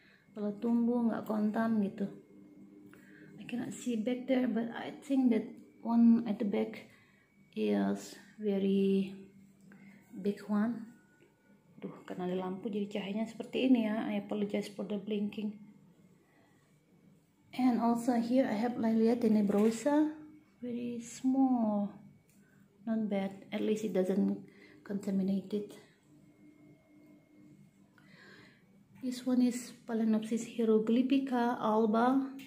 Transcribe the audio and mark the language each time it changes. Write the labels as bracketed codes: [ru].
[id] Kalau tumbuh nggak kontan gitu. [en] I cannot see back there, but I think that one at the back is very big one. [id] Duh, karena ada lampu jadi cahayanya seperti ini ya. [en] I apologize for the blinking. And also here I have Lilia Tenebrosa, very small. Not bad, at least it doesn't contaminate it. This one is Phalaenopsis Hieroglypica Alba.